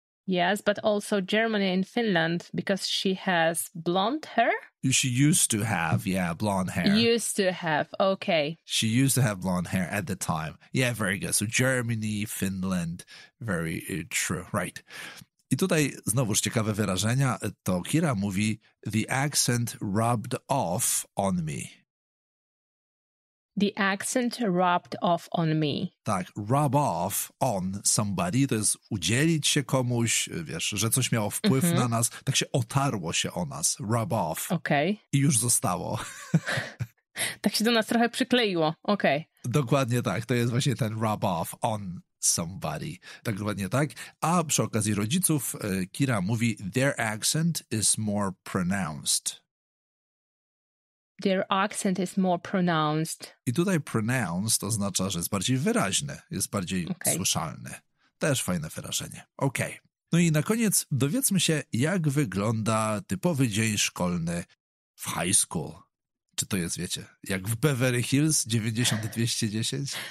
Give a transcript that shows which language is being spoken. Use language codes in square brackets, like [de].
[en] Yes, but also Germany and Finland, because she has blonde hair? She used to have, yeah, blonde hair. Used to have, okay. She used to have blonde hair at the time. Yeah, very good. So Germany, Finland, very true, right. [pl] I tutaj znowuż ciekawe wyrażenia. To Kira mówi, [en] the accent rubbed off on me. The accent rubbed off on me. [pl] Tak, [en] rub off on somebody, [pl] to jest udzielić się komuś, wiesz, że coś miało wpływ mm-hmm. na nas, tak się otarło się o nas, rub off. Okej. Okay. I już zostało. Tak się do nas trochę przykleiło, okej. [en] Okay. [pl] Dokładnie tak, to jest właśnie ten [en] rub off on somebody. [pl] Tak, dokładnie tak. A przy okazji rodziców, Kira mówi, [en] their accent is more pronounced. Their accent is more pronounced. [pl] I tutaj pronounced oznacza, że jest bardziej wyraźny, jest bardziej okay. słyszalny. Też fajne wyrażenie. Okej. Okay. No i na koniec dowiedzmy się, jak wygląda typowy dzień szkolny w high school. Czy to jest, wiecie, jak w Beverly Hills 90-210?